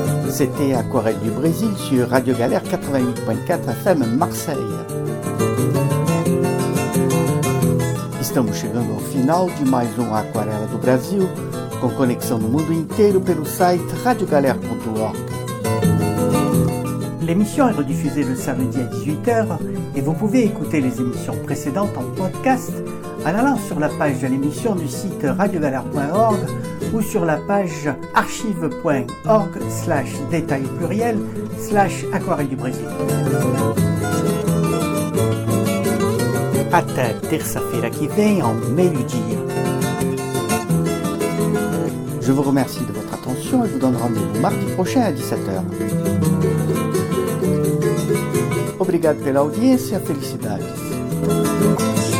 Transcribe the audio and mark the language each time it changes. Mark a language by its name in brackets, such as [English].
[French] C'était Aquarelle du Brésil sur Radio Galère 88.4 FM Marseille. [Portuguese] Estamos chegando ao final de mais um Aquarela do Brasil, com conexão no mundo inteiro pelo site radiogalere.org. [French] L'émission est rediffusée le samedi à 18h et vous pouvez écouter les émissions précédentes en podcast en allant sur la page de l'émission du site radiogalère.org ou sur la page archive.org/détail/aquarelle du Brésil. [Portuguese] Até terça-feira que vem en meio-dia. [French] Je vous remercie de votre attention et vous donne rendez-vous mardi prochain à 17h. [Portuguese] Obrigado pela audiência e felicidades.